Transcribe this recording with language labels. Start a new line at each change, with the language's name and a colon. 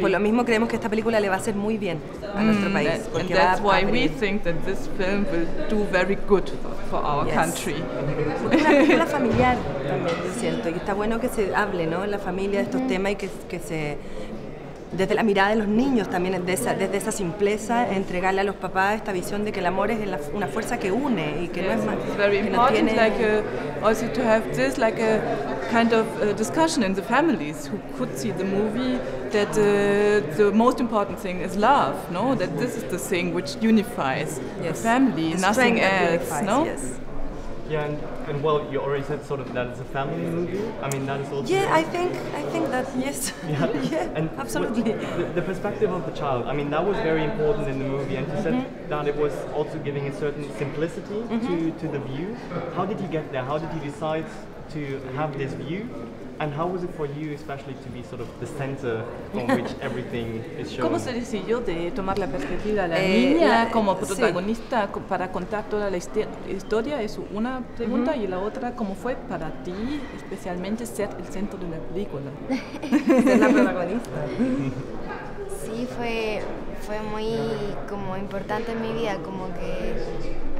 Spanish: Por lo mismo creemos que esta película le va a hacer muy bien a nuestro país.
English: And that's why we think that this film will do very good for our country.
Spanish: Es una película familiar también, es cierto. Y está bueno que se hable, ¿no? La familia de estos temas y que se... Desde la mirada de los niños también, desde esa simpleza, entregarle a los papás esta visión de que el amor es una fuerza que une y que no es más.
English: It's very important, also to have this like a kind of a discussion in the families who could see the movie, that the most important thing is love, no? That this is the thing which unifies a family, nothing else, no? Yes. Yeah, and well, you already said sort of that it's a family movie. I mean, that is also... Yeah, I think that, yes. Yeah, absolutely. The perspective of the child, I mean, that was very important in the movie. And you said that it was also giving a certain simplicity to the view. How did you get there? How did you decide to have this view? And how was it for you, especially, to be sort of the center from which everything is shown?
Spanish: ¿Cómo se decidió de tomar la perspectiva de la niña como protagonista para contar toda la historia? Es una pregunta. Y la otra, ¿cómo fue para ti, especialmente, ser el centro de la película? Ser la protagonista. Sí, fue muy como importante en mi vida, como que...